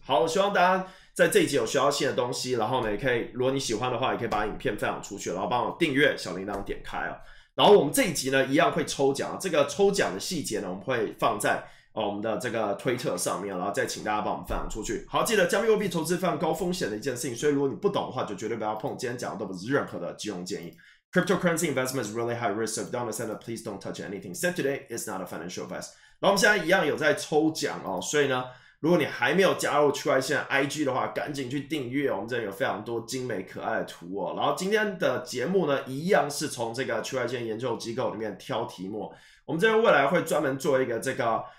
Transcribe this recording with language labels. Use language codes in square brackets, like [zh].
[zh] 好，希望大家在这一集有学到新的东西，然后呢，也可以如果你喜欢的话，也可以把影片分享出去，然后帮我订阅小铃铛点开啊。然后我们这一集呢，一样会抽奖，这个抽奖的细节呢，我们会放在。我们的这个推特上面，然后再请大家帮我们分享出去。好，记得加密货币投资非常高风险的一件事情，所以如果你不懂的话，就绝对不要碰。今天讲的都不是任何的金融建议。 [en] Cryptocurrency investment is really high risk, so if you don't understand it, please don't touch anything said today. It's not a financial advice. [zh] 然后我们现在一样有在抽奖哦，所以呢，如果你还没有加入区块链 IG 的话，赶紧去订阅，我们这里有非常多精美可爱的图哦。然后今天的节目呢，一样是从这个区块链研究机构里面挑题目，我们这边未来会专门做一个这个。